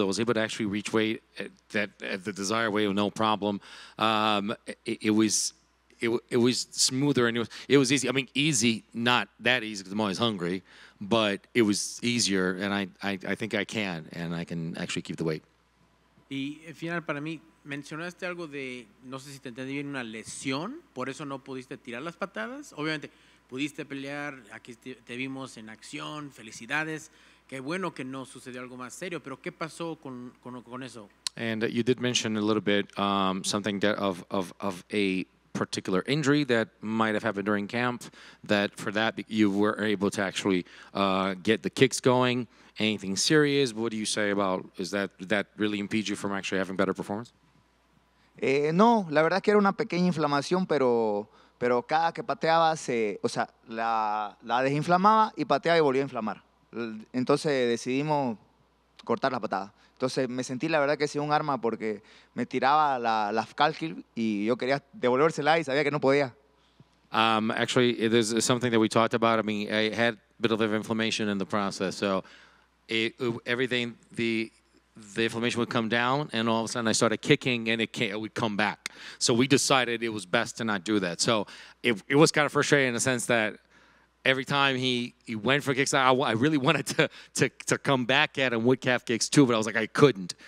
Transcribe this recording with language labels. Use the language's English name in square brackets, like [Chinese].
[English] I was able to actually reach weight at the desired weight with no problem. It was smoother and it was easy. I mean, easy, not that easy because I'm always hungry, but it was easier. And I think I can, and I can actually keep the weight. [Spanish] Y final para mí. Mencionaste algo de, no sé si te entendí bien, una lesión, por eso no pudiste tirar las patadas. Obviamente, pudiste pelear, aquí te vimos en acción, felicidades. Qué bueno que no sucedió algo más serio, pero ¿qué pasó con eso? [English] And you did mention a little bit something that of a particular injury that might have happened during camp, that for that you were able to actually get the kicks going. Anything serious? What do you say about, is that really impede you from actually having better performance? [Spanish] No, la verdad es que era una pequeña inflamación, pero cada que pateaba, la desinflamaba y pateaba y volvía a inflamar. Entonces decidimos cortar la patada. Entonces me sentí, la verdad, que sí, un arma porque me tiraba la calcil y yo quería devolvérsela y sabía que no podía. [English] Actually, it is something that we talked about. I mean, I had a bit of inflammation in the process, so the inflammation would come down, and all of a sudden I started kicking, and it would come back. So we decided it was best to not do that. So it was kind of frustrating in the sense that every time he went for kicks, I really wanted to come back at him with calf kicks too, but I was like, I couldn't.